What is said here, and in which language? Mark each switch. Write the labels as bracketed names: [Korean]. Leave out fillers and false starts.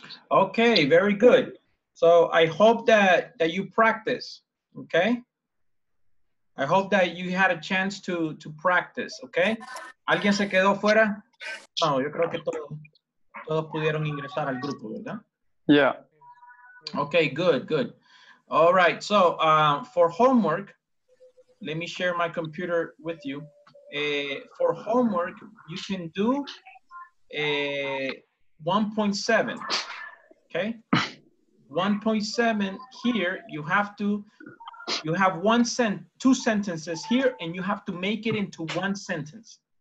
[English] Okay, very good. So I hope that you practice, okay? I hope that you had a chance to practice, okay? [Spanish] ¿Alguien se quedó fuera? No, yo creo que todos pudieron ingresar al grupo, ¿verdad? [English] Yeah. Okay, good, good. All right, so for homework, let me share my computer with you. For homework, you can do 1.7. Okay, 1.7 here, you have two sentences here, and you have to make it into one sentence.